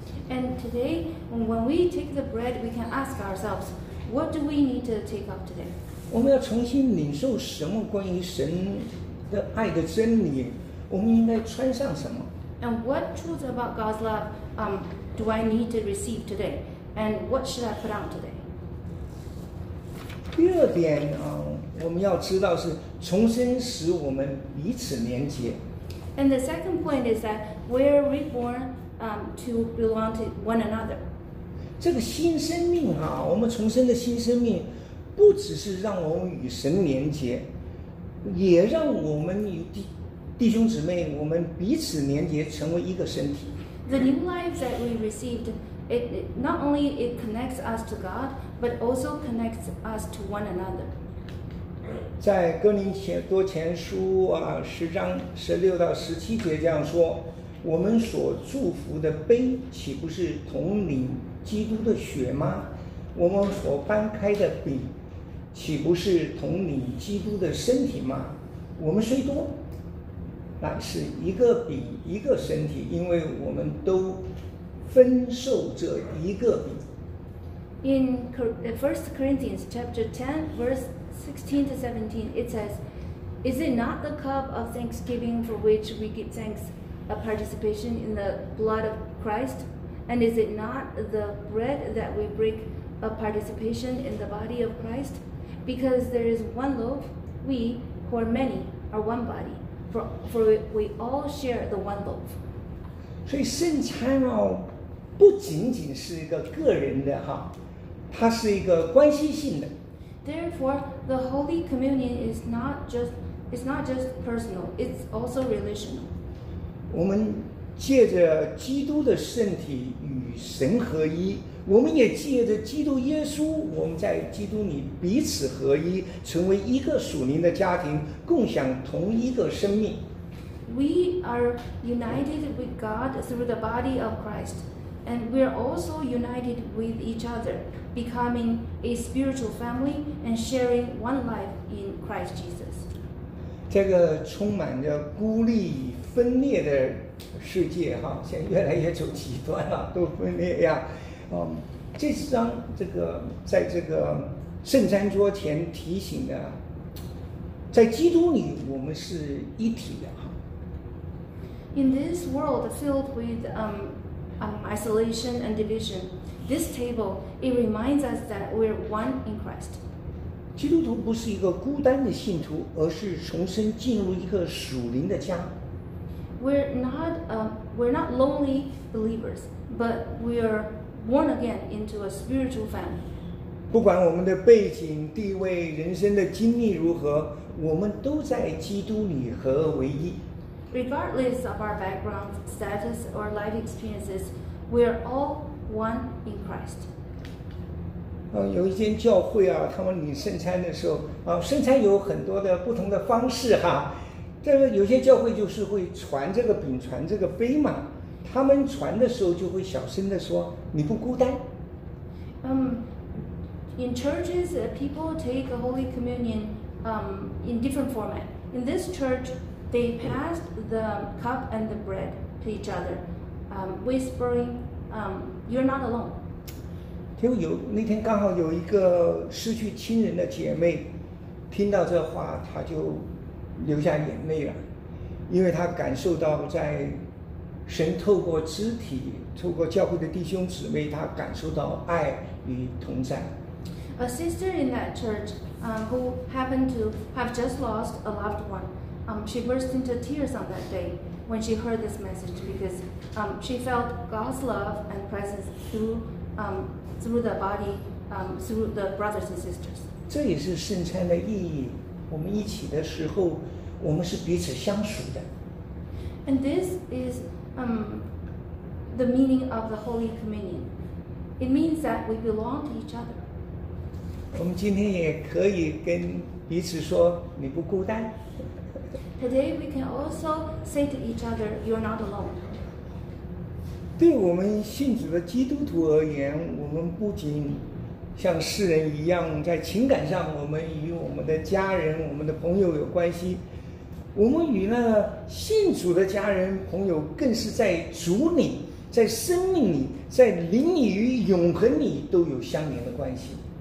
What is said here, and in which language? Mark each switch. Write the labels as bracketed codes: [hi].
[en] And today, when we take the bread, we can ask ourselves, what do we need to take off today? [zh] 我们要重新领受什么关于神的爱的真理？我们应该穿上什么？ [en] And what truth about God's love, do I need to receive today? And what should I put on today? [zh] 第二点啊，我们要知道是重新使我们彼此连接。 [en] And the second point is that we're reborn. To belong to one another. [zh] 这个新生命啊，我们重生的新生命，不只是让我们与神连接，也让我们与弟兄姊妹，我们彼此连接，成为一个身体。 [en] The new life that we received, it not only it connects us to God, but also connects us to one another. [zh] 在哥林多前书啊，十章十六到十七节这样说。我们所祝福的杯岂不是统领基督的血吗？我们所掰开的饼岂不是统领基督的身体吗？我们虽多乃是一个饼一个身体，因为我们都分受这一个饼。 [en] In 1 Corinthians chapter 10 verse 16 to 17 it says, Is it not the cup of thanksgiving for which we give thanks? A participation in the blood of Christ? And is it not the bread that we break a participation in the body of Christ? Because there is one loaf, we, who are many, are one body, for we all share the one loaf. [zh] 所以圣餐哦，不仅仅是一个个人的哈，它是一个关系性的。 [en] Therefore, the Holy Communion is not just, it's not just personal, it's also relational. [zh] 我们借着基督的圣体与神合一，我们也借着基督耶稣，我们在基督里彼此合一，成为一个属灵的家庭，共享同一个生命。 [en] We are united with God through the body of Christ, and we are also united with each other, becoming a spiritual family and sharing one life in Christ Jesus. [zh] 这个充满着孤立。分裂的世界哈，现在越来越走极端了，都分裂呀。这张这个在这个圣餐桌前提醒的，在基督里我们是一体的哈。 [en] In this world filled with isolation and division, this table it reminds us that we're one in Christ. [zh] 基督徒不是一个孤单的信徒，而是重生进入一个属灵的家。 [en] We're not lonely believers, but we are born again into a spiritual family. [zh] 不管我们的背景、地位、人生的经历如何，我们都在基督里合而为一。 [en] Regardless of our background, status, or life experiences, we are all one in Christ. [zh] 有一间教会啊，他们领圣餐的时候，圣餐有很多的不同的方式哈。但是有些教会就是会传这个饼传这个杯嘛，他们传的时候就会小声地说你不孤单。 [en] In churches, people take a Holy Communion in different format. In this church, they pass the cup and the bread to each other, whispering, you're not alone. [zh] 就有那天刚好有一个失去亲人的姐妹听到这话，她就流下眼泪了，因为他感受到在神透过肢体，透过教会的弟兄姊妹，他感受到爱与同在。 [en] A sister in that church, who happened to have just lost a loved one, she burst into tears on that day when she heard this message because, she felt God's love and presence through the body, through the brothers and sisters. [zh] 这也是圣餐的意义。我们一起的时候，我们是彼此相属的。 [en] And this is the meaning of the Holy Communion. It means that we belong to each other. [zh] 我们今天也可以跟彼此说，你不孤单。 [en] Today we can also say to each other, you're not alone. [zh] 对我们信主的基督徒而言，我们不仅像世人一样，在情感上我们与我们的家人、我们的朋友有关系，我们与那信主的家人、朋友更是在主里、在生命里、在灵里与永恒里都有相连的关系。